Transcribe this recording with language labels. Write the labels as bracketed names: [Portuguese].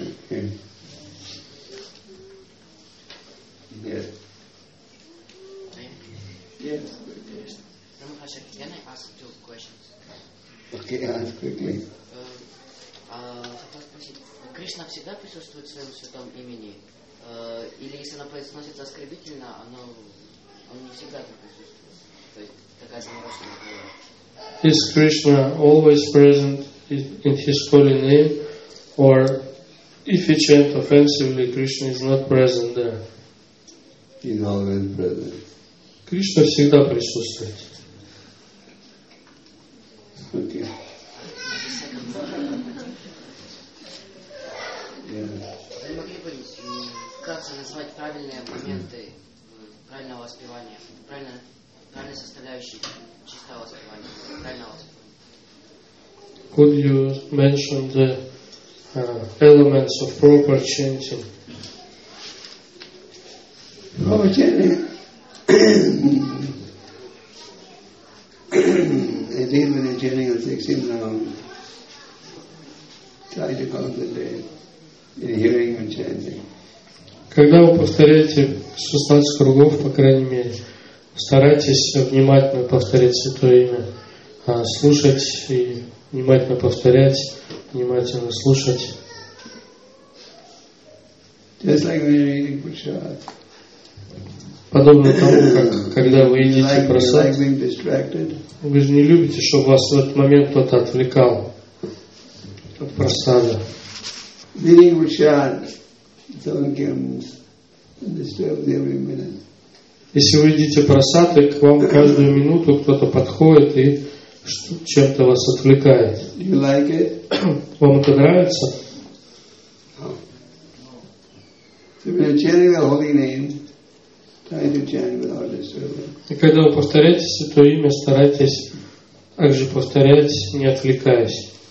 [Russian] Хотел спросить, Кришна всегда присутствует в своем святом имени? Или если оно произносится оскорбительно, он не всегда там присутствует? То есть такая заморочная была. [English] Is Krishna always present in his holy name, or if you chant offensively, Krishna is not present there? He's always present. [Russian] Krishna всегда присутствует. [English] Okay. [Russian] Вы могли бы вкратце назвать правильные моменты правильного воспевания, правильные составляющие чистого воспевания, правильного воспевания? [English] Could you mention the elements of proper chanting? Proper chanting. I think when you're chanting a 16 round, try to concentrate in hearing and chanting. [Russian] Когда вы повторяете 16 кругов, по крайней мере, старайтесь внимательно повторять Святое Имя, слушать и внимательно повторять, внимательно слушать. [English] Just like when you're eating prasad. [Russian] Подобно тому, как когда вы едите просад, [English] like [Russian] вы же не любите, чтобы вас в этот момент кто-то отвлекал от просада. [English] Eating prasad, someone can disturb you every minute. [Russian] Если вы едите просад, к вам каждую минуту кто-то подходит и чем-то вас отвлекает. [English] You like it? [Russian] Вам это нравится? [English] No. [Russian] И когда вы повторяете Святое Имя, старайтесь также повторять, не отвлекаясь.